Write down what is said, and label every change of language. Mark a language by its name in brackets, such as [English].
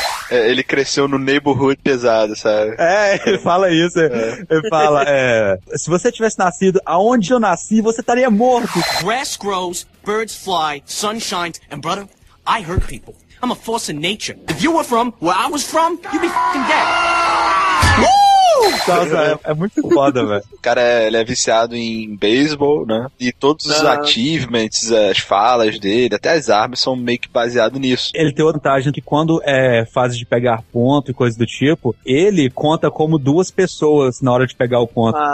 [Portuguese] Ele cresceu no neighborhood pesado, sabe? Ele fala isso. Ele fala, se você tivesse nascido aonde eu nasci, você estaria morto. [English] Grass grows, birds fly, sun shines, and brother, I hurt people. I'm a force of nature. If you were from where I was from, you'd be f***ing dead. [Portuguese] Nossa, é muito foda, velho. O cara, ele é viciado em beisebol, né? E todos os achievements, as falas dele, até as armas são meio que baseado nisso. Ele tem vantagem que quando é fase de pegar ponto e coisa do tipo, ele conta como duas pessoas na hora de pegar o ponto.